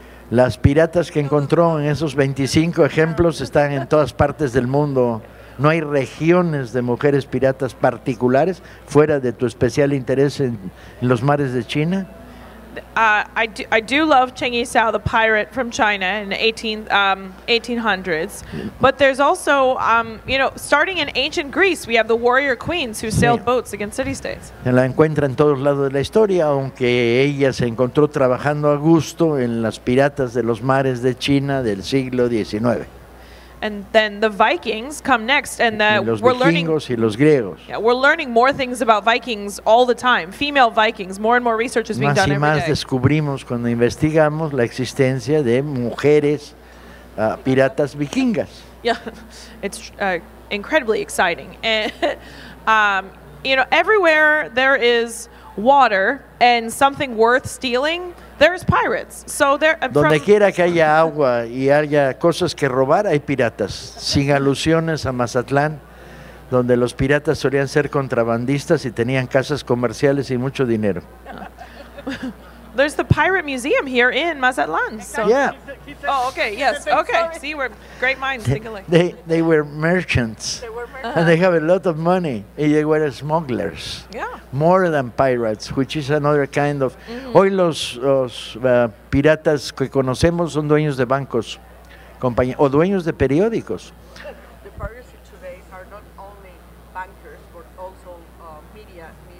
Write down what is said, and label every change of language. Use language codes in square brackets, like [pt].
[es] Las piratas que encontró en esos 25 ejemplos están en todas partes del mundo. No hay regiones de mujeres piratas particulares fuera de tu especial interés en los mares de China. [en] I do love Cheng Yi Sao, the pirate from China in the 1800s. But there's also, starting in ancient Greece, we have the warrior queens who sailed boats against city-states. [es] La encuentra en todos lados de la historia, aunque ella se encontró trabajando a gusto en las piratas de los mares de China del siglo XIX. [en] And then the Vikings come next, and we're learning. [es] Y los griegos. [en] Yeah, we're learning more things about Vikings all the time. Female Vikings. More and more research is being done every day. [es] Más y más descubrimos cuando investigamos la existencia de mujeres piratas vikingas. [en] Yeah, it's incredibly exciting. And everywhere there is water and something worth stealing, there's pirates. So there. [es] Donde quiera que haya agua y haya cosas que robar, hay piratas. Sin alusiones a Mazatlán, donde los piratas solían ser contrabandistas y tenían casas comerciales y mucho dinero. [en] There's the pirate museum here in Mazatlán. So. Yeah. Oh, okay. Yes. Okay. See, we're great minds. They were merchants. They were merchants. And they have a lot of money. And they were smugglers. Yeah. More than pirates, which is another kind of. Mm-hmm. [es] Hoy los piratas que conocemos son dueños de bancos, o dueños de periódicos. [en] The pirates today are not only bankers, but also media.